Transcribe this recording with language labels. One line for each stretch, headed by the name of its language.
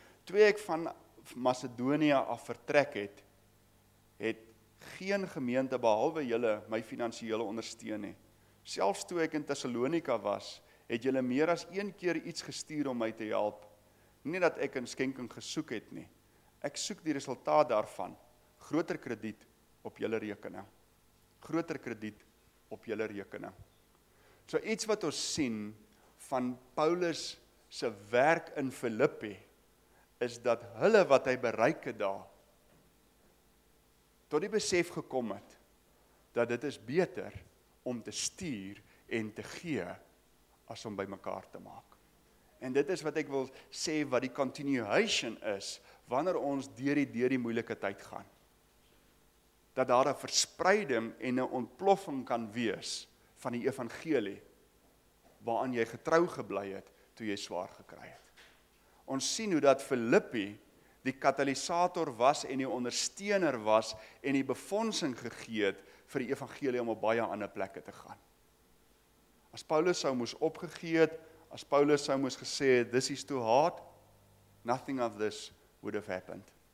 Afrikaans: Toe ek van Macedonië af vertrek het, het geen gemeente behalwe julle my finansiële ondersteun nie. Selfs toe ek in Thessalonika was, het julle meer as een keer iets gestuur om my te help. Nie dat ek in skenking gesoek het nie. Ek soek die resultaat daarvan. Groter krediet op julle rekening. Groter krediet op julle rekening. So iets wat ons sien van Paulus se werk in Filippi, is dat hulle wat hy bereik het daar, tot die besef gekom het, dat dit is beter om te stuur en te gee, as om by mekaar te maak. En dit is wat ek wil sê, wat die continuation is, wanneer ons deur die moeilike tyd gaan. Dat daar 'n verspreiding en 'n ontploffing kan wees van die evangelie waaraan jy getrou gebly het toe jy swaar gekry het. Ons sien hoe dat Filippi die katalisator was en die ondersteuner was en die befondsing gegee het vir die evangelie om op baie ander plekke te gaan. As Paulus sou moes opgegee het, as Paulus sou moes gesê het,
English: this is too hard, nothing of this would have happened.